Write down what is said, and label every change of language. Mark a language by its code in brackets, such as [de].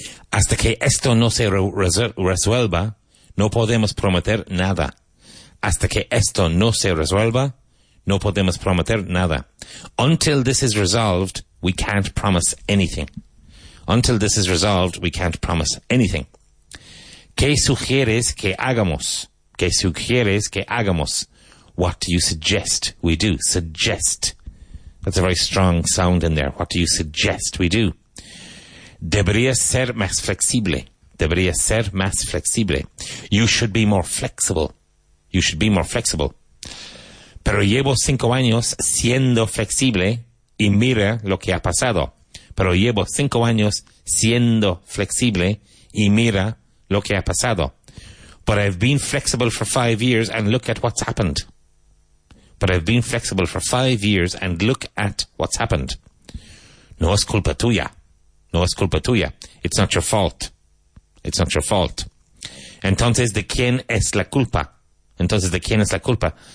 [es] Hasta que esto no se resuelva, no podemos prometer nada. Hasta que esto no se resuelva, no podemos prometer nada. [en] Until this is resolved, we can't promise anything. Until this is resolved, we can't promise anything. [es] ¿Qué sugieres que hagamos? ¿Qué sugieres que hagamos? [en] What do you suggest we do? Suggest. That's a very strong sound in there. What do you suggest we do? [es] Debería ser más flexible. Debería ser más flexible. [en] You should be more flexible. You should be more flexible. [es] Pero llevo 5 años siendo flexible y mira lo que ha pasado. pero llevo 5 años siendo flexible y mira lo que ha pasado. [en] But I've been flexible for 5 years and look at what's happened. But I've been flexible for 5 years and look at what's happened. [es] No es culpa tuya. No es culpa tuya. [en] It's not your fault. [es] It's not your fault. Entonces, ¿de quién es la culpa? Entonces, ¿de quién es la culpa?